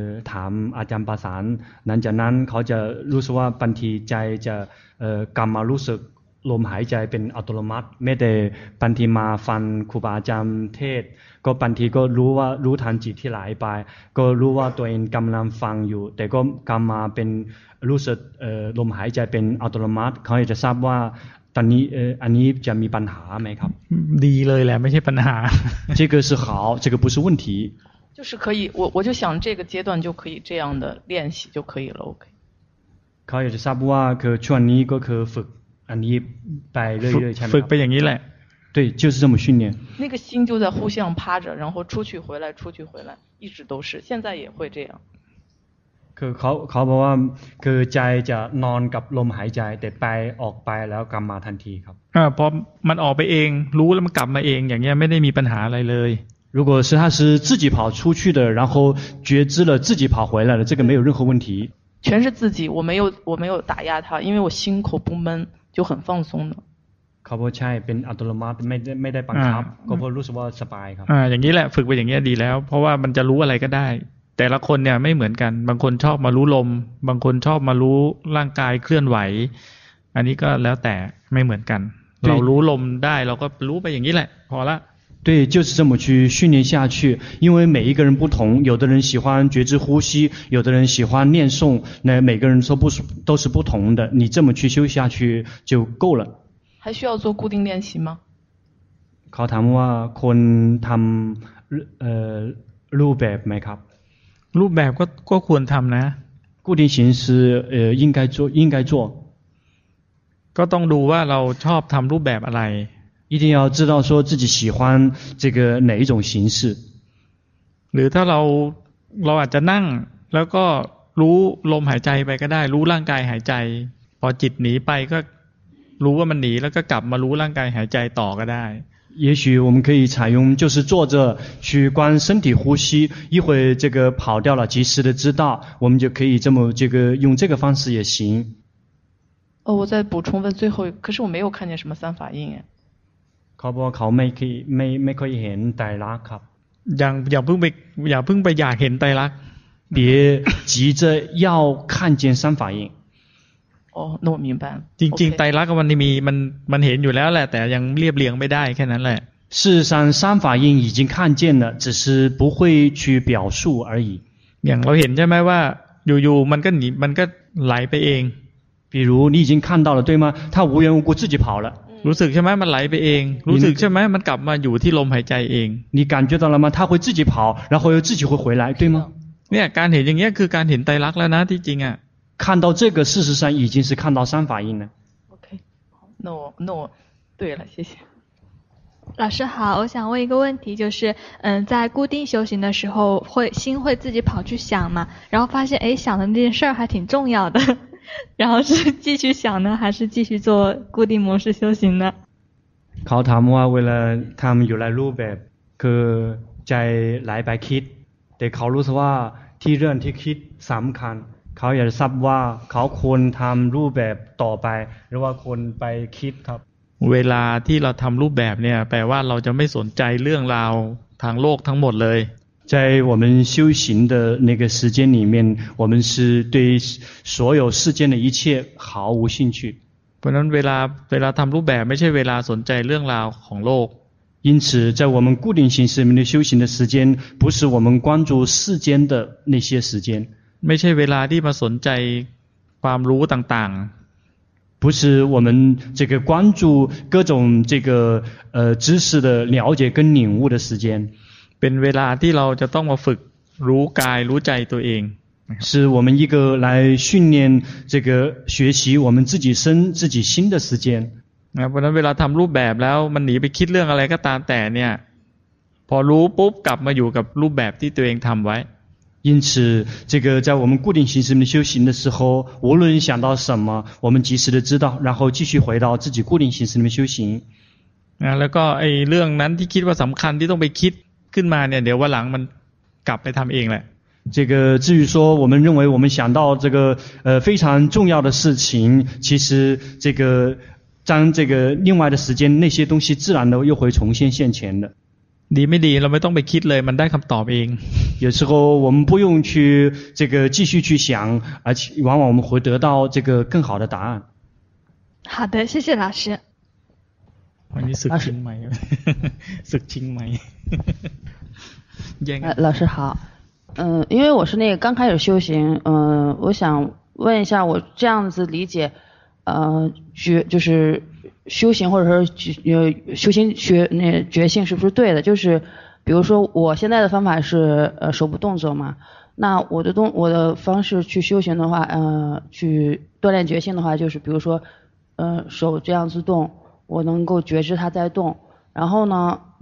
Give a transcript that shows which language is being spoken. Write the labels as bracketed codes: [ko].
[th] ถามอาจารย์ประสานนั้นจากนั้นเขาจะรู้สึกว่าบางทีใจจะกำมารู้สึกลมหายใจเป็นอัตโนมัติไม่ได้บางทีมาฟังครูบาอาจารย์เทศก็บางทีก็รู้ว่ารู้ทันจิตที่ไหลไปก็รู้ว่าตัวเองกำลังฟังอยู่แต่ก็กำมาเป็นรู้สึกลมหายใจเป็นอัตโนมัติเขาจะทราบว่าตอนนี้อันนี้จะมีปัญหาไหมครับ ดีเลยแหละไม่ใช่ปัญหา [zh] 这个是好这个不是问题就是可以我就想这个阶段就可以这样的练习就可以了 OK [th] เขาจะทราบว่าคือช่วงนี้ก็คือฝึกอันนี้ไปเรื่อยๆใช่ไหม ฝึกไปอย่างนี้แหละ [zh] 对就是这么训练那个心就在呼吸上趴着然后出去回来出去回来一直都是现在也会这样 [th] คือเขาบอกว่าคือใจจะนอนกับลมหายใจแต่ไปออกไปแล้วกลับมาทันทีครับ พอมันออกไปเองรู้แล้วมันกลับมาเองอย่างเงี้ยไม่ได้มีปัญหาอะไรเลย [zh] 如果是他是自己跑出去的然后觉知了自己跑回来了这个没有任何问题全是自己我没有打压他因为我心口不闷就很放松的 [th] เขาบอกใช่เป็นอัตโนมัติไม่ได้บังคับก็เพราะรู้สึกว่าสบายครับ อย่างนี้แหละฝึกไปอย่างนี้ดีแล้วเพราะว่ามันจะรู้อะไรก็ได้แต่ละคนเนี่ยไม่เหมือนกันบางคนชอบมารู้ลมบางคนชอบมารู้ร่างกายเคลื่อนไหวอันนี้ก็แล้วแต่ไม่เหมือนกันเรารู้ลมได้เราก็รู้ไปอย่างนี้แหละพอละ [zh] 对就是这么去训练下去因为每一个人不同有的人喜欢觉知呼吸有的人喜欢念诵那每个人都是不同的你这么去修下去就够了还需要做固定练习吗？考他们话，可能他们录白没卡，录白过可能他们呢？固定形式应该做。 [th] ก็ต้องดูว่าเราชอบทำรูปแบบอะไร。 [zh] 一定要知道说自己喜欢这个哪一种形式。 [th] หรือถ้าเราอาจจะนั่งแล้วก็รู้ลมหายใจไปก็ได้รู้ร่างกายหายใจพอจิตหนีไปก็รู้ว่ามันหนีแล้วก็กลับมารู้ร่างกายหายใจต่อก็ได้ [zh] 也许我们可以采用就是坐着去观身体呼吸一会这个跑掉了及时的知道我们就可以这么这个用这个方式也行哦，我再补充问最后，可是我没有看见什么三法印哎。 [th] เขาบอกเขาไม่คิดไม่เคยเห็นไตรลักษณ์ครับ อย่าเพิ่งไปอยากเห็นไตรลักษ [zh] ณ์别急着要看见三法印哦那我明白 [th] 了จริงๆไตรลักษณ์มันเห็นอยู่แล้วแหละแต่ยังเรียบเรียงไม่ได้แค่นั้นแหละ [zh] 事实上三法印已经看见了只是不会去表述而已 [th] อย่างเราเห็นใช่ไหมว่าอยู่ๆมันก็ไหลไปเอง [zh] 比如你已经看到了对吗它无缘无故自己跑了 [th] รู้สึกใช่ไหมมันไหลไปเองรู้สึกใช่ไหมมันกลับมาอยู่ที่ลมหายใจเอง [zh] 你感觉到了吗它会自己跑然后又自己会回来对吗 [th] เนี่ยการเห็นอย่างเงี้ยคือการเห็นไตรลักษณ์แล้วนะที่จริงอ่ะ [zh] 看到这个事实上已经是看到三法印了 OK 那我对了谢谢老师好我想问一个问题就是在固定修行的时候心会自己跑去想嘛然后发现诶想的那件事儿还挺重要的然后是继续想呢还是继续做固定模式修行呢 [th] เขาถามว่าเวลาทำอยู่ในรูปแบบคือใจไหลไปคิดแต่เขารู้สึกว่าที่เรื่องที่คิดสำคัญเขาอยากทราบว่าเขาควรทำรูปแบบต่อไปหรือว่าควรไปคิดครับ เวลาที่เราทำรูปแบบเนี่ยแปลว่าเราจะไม่สนใจเรื่องราวทางโลกทั้งหมดเลย [zh] 在我们修行的那个时间里面我们是对所有世间的一切毫无兴趣 [th] เวลาทำรูปแบบไม่ใช่เวลาสนใจเรื่องราวของโลก [zh] 因此在我们固定形式里面的修行的时间不是我们关注世间的那些时间 [th] ไม่ใช่เวลาที่มาสนใจความรู้ต่าง [zh] ๆ不是我们这个关注各种这个知识的了解跟领悟的时间 [th] เป็นเวลาที่เราจะต้องมาฝึกรู้กายรู้ใจตัวเอง [zh] 是我们一个来训练这个学习我们自己身自己心的时间 [th] นะเพราะนั้นเวลาทำรูปแบบแล้วมันหนีไปคิดเรื่องอะไรก็ตามแต่เนี่ยพอรู้ปุ๊บกลับมาอยู่กับรูปแบบที่ตัวเองทำไว้ [zh] 因此这个在我们固定形式的修行的时候无论想到什么我们及时的知道然后继续回到自己固定形式的修行 [th] นะแล้วก็ไอ้เรื่องนั้นที่คิดว่าสำคัญที่ต้องไปคิดขึ้นมาเนี่ยเดี๋ยววันหลังมันกลับไปทำเองแหละ [zh] 这个至于说我们认为我们想到这个非常重要的事情其实这个将这个另外的时间那些东西自然的又会重现现前的 [th] ดีไม่ดีเราไม่ต้องไปคิดเลยมันได้คำตอบเอง [zh] 有时候我们不用去这个继续去想而且往往我们会得到这个更好的答案好的谢谢老师 [th] วันนี้สึกชิงไหมสึกชิงไหม [zh] 老师好因为我是那个刚开始修行我想问一下我这样子理解就是修行或者说修行学那觉性是不是对的就是比如说我现在的方法是手部动作嘛那我的方式去修行的话去锻炼觉性的话就是比如说手这样子动我能够觉知它在动然后呢